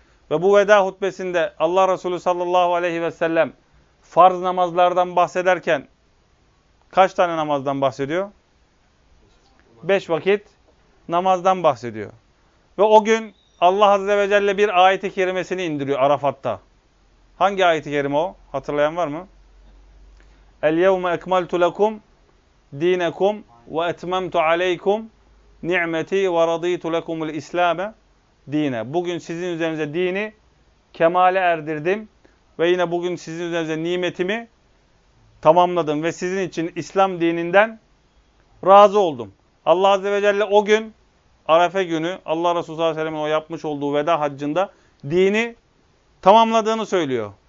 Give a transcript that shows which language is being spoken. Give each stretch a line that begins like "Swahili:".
Turkish: Ve bu veda hutbesinde Allah Resulü sallallahu aleyhi ve sellem farz namazlardan bahsederken kaç tane namazdan bahsediyor? 5 vakit namazdan bahsediyor. Ve o gün Allah Azze ve Celle bir ayet-i kerimesini indiriyor Arafat'ta. Hangi ayet-i kerime o? Hatırlayan var mı?
Arabic: اَلْيَوْمَ اَكْمَلْتُ لَكُمْ دِينَكُمْ وَاَتْمَمْتُ عَلَيْكُمْ نِعْمَتِي وَرَضِيْتُ لَكُمُ الْاِسْلَامَ دِينَ
Turkish: Bugün sizin üzerinize dini kemale erdirdim. Ve yine bugün sizin üzerinize nimetimi tamamladım. Ve sizin için İslam dininden razı oldum. Allah Azze ve Celle o gün Arefe günü Allah Resulü sallallahu aleyhi ve sellem'in o yapmış olduğu veda haccında dini tamamladığını söylüyor.